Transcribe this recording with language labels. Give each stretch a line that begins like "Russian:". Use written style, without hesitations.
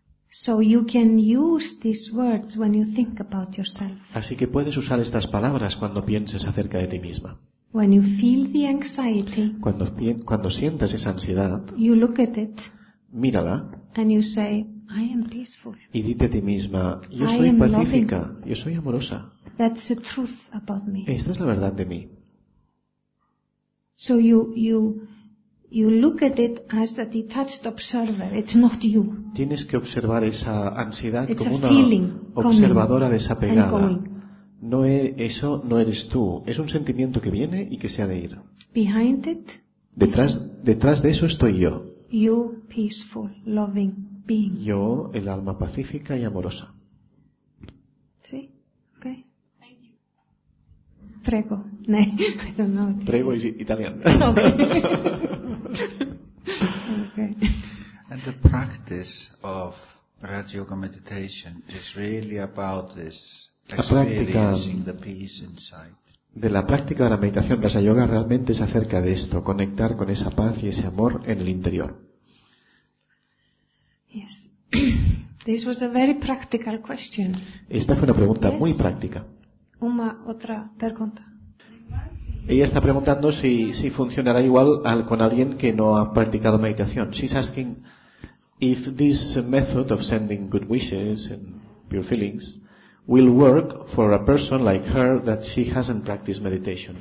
English: So you can use these words when you think about yourself.
Spanish: Así que puedes usar estas palabras cuando pienses acerca de ti misma.
English: When you feel the anxiety,
Spanish: cuando sientas esa ansiedad,
English: you look at it,
Spanish: mírala,
English: and you say, I am peaceful.
Spanish: Y dite a ti misma, yo soy pacífica, yo soy amorosa.
English: That's the truth about me.
Spanish: Esta es la verdad de mí.
English: So you look at it as a detached observer. It's not you.
Spanish: Tienes que observar esa ansiedad
English: It's
Spanish: como una observadora desapegada. No es eso, no eres tú. Es un sentimiento que viene y que se ha de ir.
English: Behind it.
Spanish: Detrás de eso estoy yo.
English: You peaceful, loving being.
Spanish: Yo, el alma pacífica y amorosa. Sí. Okay. Prego.
English: No, I don't know. Prego is Italian. Okay. And the practice of Raja Yoga meditation is really about this.
Spanish: La práctica de la meditación Raja Yoga realmente es acerca de esto, conectar con esa paz y ese amor en el interior.
English: Yes. This was a very practical question.
Spanish: Esta fue una pregunta muy práctica. Una otra pregunta. Ella está preguntando si funcionará igual con alguien que no ha practicado meditación.
English: She's asking if this method of sending good wishes and pure feelings will work for a person like her that she hasn't practiced meditation.